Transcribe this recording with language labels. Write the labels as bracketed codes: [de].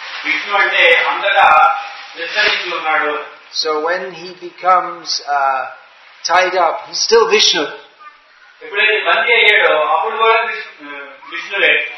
[te] Vishnu అంటే అంతటా విస్తరించి ఉన్నాడు. [en] So when he becomes tied up, he's still Vishnu. [te] ఎప్పుడైతే బందీ అయ్యాడో అప్పుడు కూడా విష్ణువే.